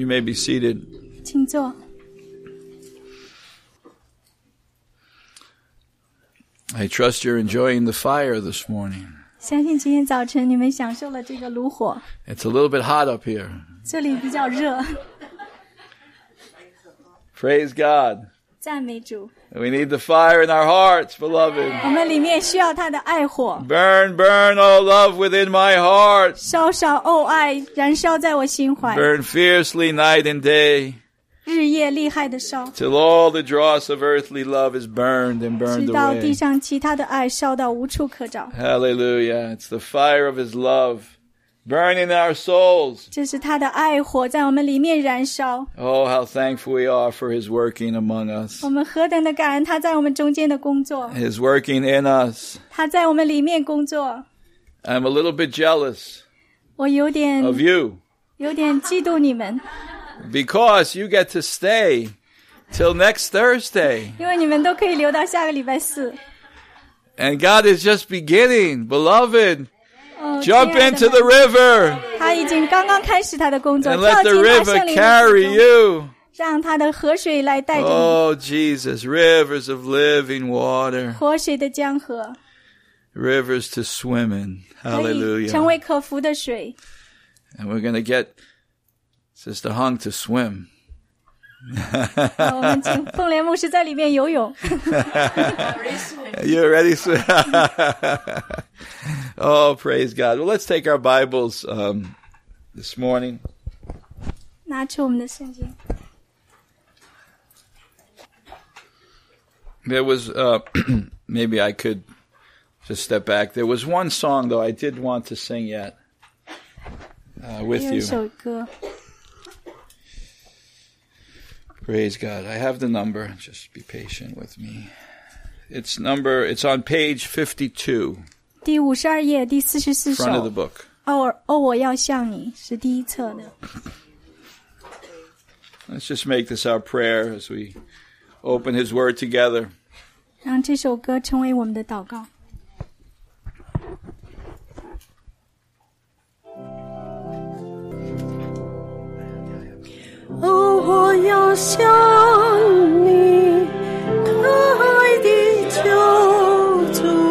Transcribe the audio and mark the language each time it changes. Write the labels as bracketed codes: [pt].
[en] be seated. [zh] 请坐。 [en] I trust you're enjoying the fire this morning. [zh] 相信今天早晨你们享受了这个炉火。 [en] It's a little bit hot up here. [zh] 这里比较热。 [en] Praise God. [zh] 赞美主。 [en] We need the fire in our hearts, beloved. [zh] 我们里面需要他的爱火。 [en] Burn, burn, O love within my heart. [zh] 烧烧 O 爱，燃烧在我心怀。 [en] Burn fiercely night and day. [zh] 日夜厉害的烧。 [en] Till all the dross of earthly love is burned and burned away. [zh] 直到地上其他的爱烧到无处可找。 [en] Hallelujah! It's the fire of His love. Burning our souls. [zh] 这是他的爱火在我们里面燃烧。 [en] Oh, how thankful we are for His working among us. [zh] 我们何等的感恩他在我们中间的工作。 [en] His working in us. [zh] 他在我们里面工作。 [en] I'm a little bit jealous. [zh] 我有点 [en] of you. [zh] 有点嫉妒你们。 [en] Because you get to stay till next Thursday. [zh] 因为你们都可以留到下个礼拜四。 [en] And God is just beginning, beloved. Jump into the river. [zh] 他已经刚刚开始他的工作。 [en] And let the river carry you. [zh] 让他的河水来带着你。 [en] Oh, Jesus, rivers of living water. [zh] 活水的江河。 [en] Rivers to swim in. Hallelujah. [zh] 可以成为可浮的水。 [en] And we're going to get Sister Hung to swim. [zh] 我们请凤莲牧师在里面游泳。 [en] You're ready, sir. Oh, praise God. Well, let's take our Bibles this morning. [zh] 拿出我们的圣经。 [en] There was, maybe I could just step back. There was one song, though, I did want to sing yet with you. [zh] 有一首歌。 [en] Praise God. I have the number. Just be patient with me. It's number, it's on page 52. [zh] 第五十二页第四十四首。 [en] Front of the book. [zh] 哦，我要向你是第一册的。 [en] Let's just make this our prayer as we open His Word together. [zh] 让这首歌成为我们的祷告。哦，我要向你，可爱的救主。